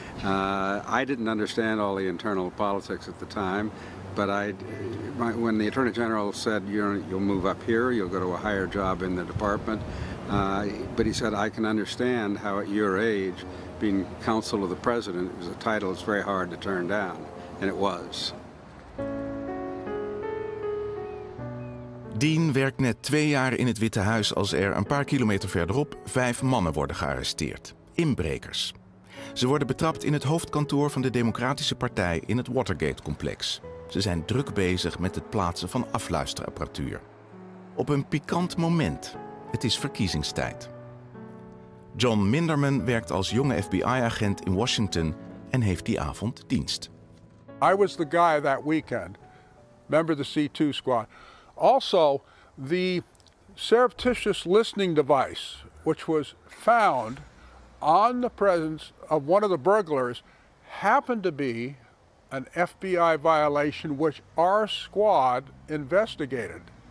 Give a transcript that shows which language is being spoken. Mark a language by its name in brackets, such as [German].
[English] I didn't understand all the internal politics at the time, but when the Attorney General said you'll move up here, you'll go to a higher job in the department, but he said I can understand how at your age, being counsel of the president, it was a title that's very hard to turn down, and it was. [Dutch] Dean werkt net twee jaar in het Witte Huis als er een paar kilometer verderop vijf mannen worden gearresteerd. Inbrekers. Ze worden betrapt in het hoofdkantoor van de Democratische Partij in het Watergate-complex. Ze zijn druk bezig met het plaatsen van afluisterapparatuur. Op een pikant moment. Het is verkiezingstijd. John Minderman werkt als jonge FBI-agent in Washington en heeft die avond dienst. [English] I was the guy that weekend, member of the C2 squad. Also, the surreptitious listening device, which was found on the presence of one of the burglars, happened to be an FBI violation, which our squad investigated.